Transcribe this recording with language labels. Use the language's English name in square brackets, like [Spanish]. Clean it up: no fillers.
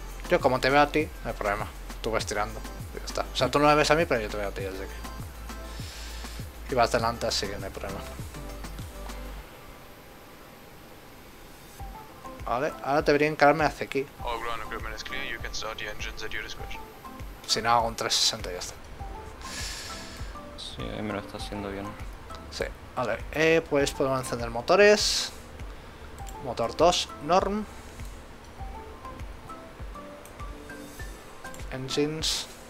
[Spanish] Yo como te veo a ti, no hay problema. Tú ves tirando. Ya está. O sea, tú no me ves a mí, pero yo te veo a ti, así que. Y vas delante, así que no hay problema. Vale, ahora debería encararme hacia aquí. [English] All ground equipment is clear, you can start the engines at your discretion. [Spanish] Si no, hago un 360 y ya está. Sí, ahí me lo está haciendo bien. Sí, vale. Pues podemos encender motores. Motor 2, norm. [English] Engines.